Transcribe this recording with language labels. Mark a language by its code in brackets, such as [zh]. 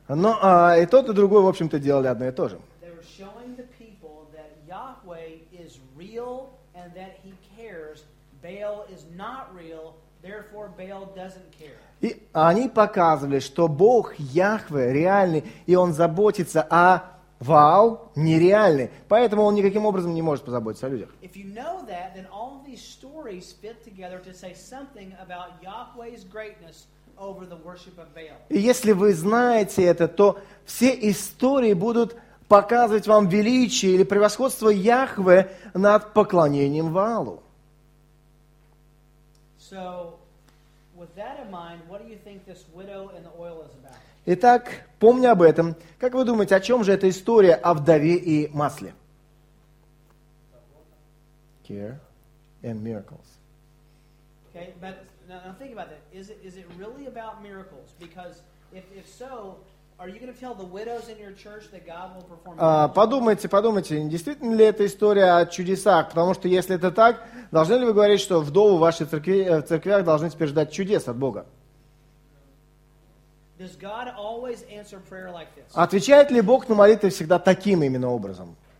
[ru] Но и тот, и другой, в общем-то, делали одно и то же. [en] They were showing the people that Yahweh is real and that he cares. Baal is not real, therefore Baal doesn't care. [ru] И они показывали, что Бог Яхве реальный, и он заботится, а Ваал нереальный. Поэтому он никаким образом не может позаботиться о людях. [en] If you know that, then all these stories fit together to say something about Yahweh's greatness over the worship of Baal. [ru] И если вы знаете это, то все истории будут показывать вам величие или превосходство Яхве над поклонением Ваалу. [en] So, with that in mind, what do you think this widow and the oil is about? [ru] Итак, помня об этом, как вы думаете, о чем же эта история о вдове и масле? [en] Care and miracles. Okay, but now think about that. Is it really about miracles? Because if so, are you going to tell the widows in your church that God will perform miracles? [ru] Подумайте, действительно ли эта история о чудесах? Потому что если это так, должны ли вы говорить, что вдовы в вашей церкви, в церквях должны теперь ждать чудес от Бога? [en] Does God always answer prayer like this? [ru] Отвечает ли Бог на молитвы всегда таким именно образом?